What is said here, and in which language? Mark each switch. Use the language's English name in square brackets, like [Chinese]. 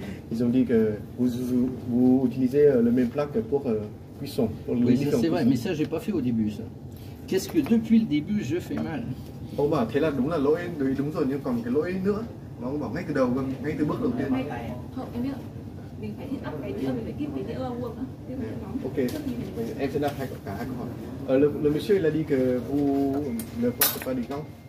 [French] Ils ont dit que vous utilisez le même plat que pour cuisson. Oui, ça c'est vrai, mais ça j'ai pas fait au début ça. Qu'est-ce que depuis le début je fais mal? [Vietnamese] Ông bảo thế là đúng là lỗi, đúng đúng rồi, nhưng còn cái lỗi nữa. Mà ông bảo ngay từ đầu, ngay từ bước đầu tiên. Ok, em sẽ đặt hai cả hai câu hỏi. [French] Le monsieur il a dit que vous ne portez pas du gant.